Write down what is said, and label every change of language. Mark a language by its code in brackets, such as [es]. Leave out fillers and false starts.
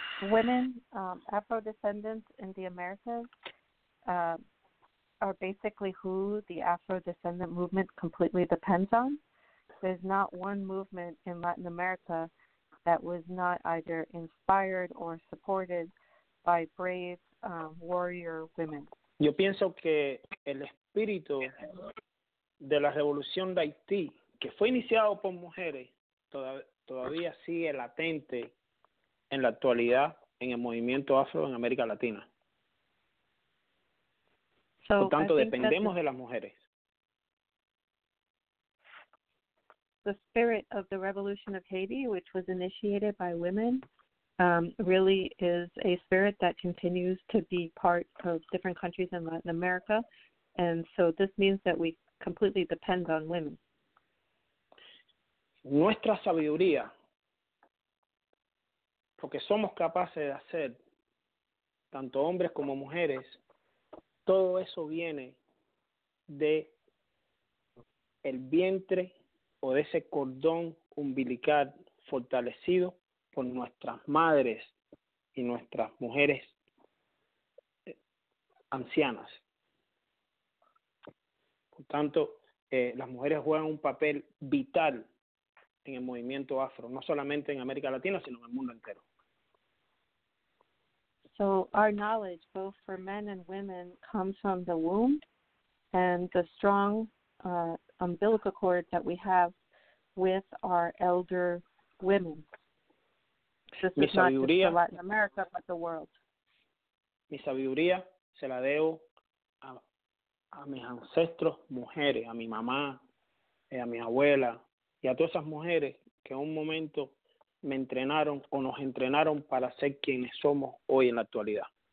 [en] Women, Afro-descendants in the Americas are basically who the Afro-descendant movement completely depends on. There's not one movement in Latin America that was not either inspired or supported by brave warrior women. [es] Yo pienso que el espíritu de la revolución de Haití, que fue iniciado por mujeres, todavía sigue latente en la actualidad en el movimiento afro en América Latina. [en] So, [es] por tanto, dependemos de las mujeres. [en] The spirit of the revolution of Haiti, which was initiated by women, really is a spirit that continues to be part of different countries in Latin America. And so this means that we completely depend on women. [es] Nuestra sabiduría, porque somos capaces de hacer tanto hombres como mujeres, todo eso viene de el vientre o de ese cordón umbilical fortalecido por nuestras madres y nuestras mujeres ancianas. Por tanto, las mujeres juegan un papel vital en el movimiento afro, no solamente en América Latina, sino en el mundo entero. [en] So our knowledge, both for men and women, comes from the womb and the strong umbilical cord that we have with our elder women. [es] Mi sabiduría, [en] not just Latin America, but the world. [es] Mi sabiduría se la debo a mis ancestros mujeres, a mi mamá, a mi abuela, y a todas esas mujeres que en un momento me entrenaron o nos entrenaron para ser quienes somos hoy en la actualidad.